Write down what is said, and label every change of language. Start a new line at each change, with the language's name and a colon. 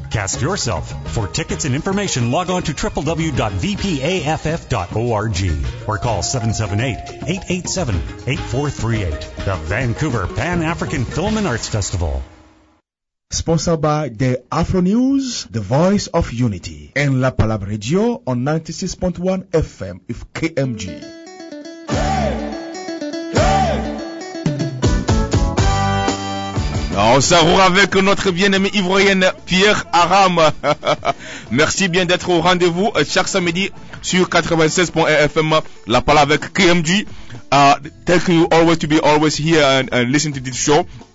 English: Cast yourself. For tickets and information, log on to www.vpaff.org or call 778-887-8438. The Vancouver Pan-African Film and Arts Festival. Sponsored by the Afro News, the voice of unity, and La Palabre Radio on 96.1 FM, if KMG.
French: On s'arroule avec notre bien-aimé ivoirienne Pierre Aram. Merci bien d'être au rendez-vous chaque samedi sur 96.fm, La Palabre avec KMG.
English: Thank you always to be always here and listen to this show.